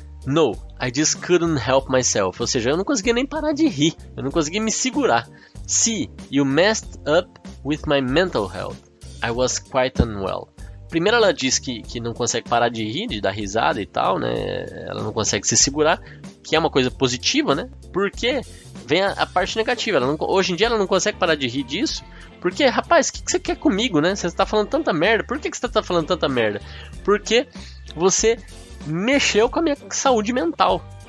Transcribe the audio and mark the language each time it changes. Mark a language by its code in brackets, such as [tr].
[en] No, I just couldn't help myself. [pt] Ou seja, eu não consegui nem parar de rir, eu não consegui me segurar. [en] See, you messed up with my mental health. I was quite unwell. [pt] Primeiro ela diz que não consegue parar de rir, de dar risada e tal, né? Ela não consegue se segurar, que é uma coisa positiva, né? Porque vem a parte negativa. Hoje em dia ela não consegue parar de rir disso. Porque, rapaz, o que você quer comigo, né? Você tá falando tanta merda. Por que você tá falando tanta merda? Porque você mexeu com a minha saúde mental.